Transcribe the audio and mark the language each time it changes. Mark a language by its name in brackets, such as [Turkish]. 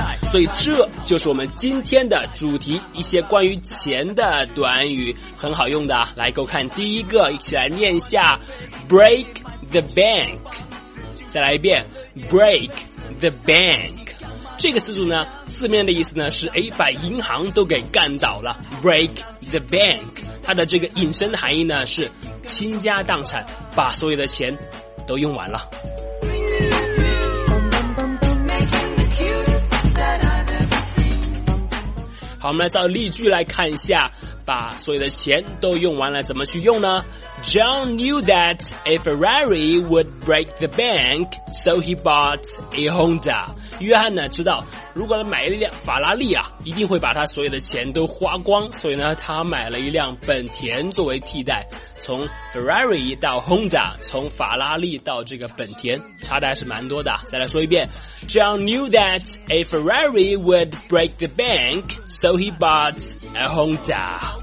[Chinese] 所以这就是我们今天的主题，一些关于钱的短语，很好用的。来，给我看第一个，一起来念一下 ，break the bank。再来一遍 ，break the bank。这个词组呢，字面的意思呢是哎，把银行都给干倒了 ，break the bank。它的这个引申的含义呢是倾家荡产，把所有的钱都用完了。好，我们来造例句来看一下，把所有的钱都用完了，怎么去用呢 ？ [English] John knew that a Ferrari would break the bank, so he bought a Honda。 [Chinese] 约翰呢知道，如果买了一辆法拉利啊，一定会把他所有的钱都花光，所以呢，他买了一辆本田作为替代。从 Ferrari 到 Honda， 从法拉利到这个本田，差的还是蛮多的。再来说一遍 [English] ，John knew that a Ferrari would break the bank, so he bought a Honda。